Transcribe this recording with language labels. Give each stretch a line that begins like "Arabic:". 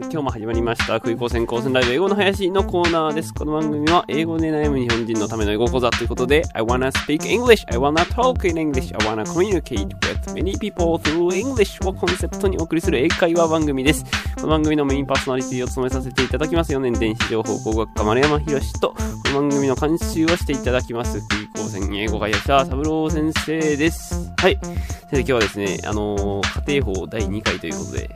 Japanese: 今日も始まりました空港専攻専ライブ英語の林のコーナーです。この番組は英語で悩む日本人のための英語講座ということで
English: I wanna speak English! I wanna talk in English! I wanna communicate with many people through English!
Japanese: をコンセプトにお送りする英会話番組です。この番組のメインパーソナリティを務めさせていただきます4年電子情報工学科丸山博史とこの番組の監修をしていただきます空港専英語会社サブロー先生です。はい。先生今日はですね、家庭法第2回ということで。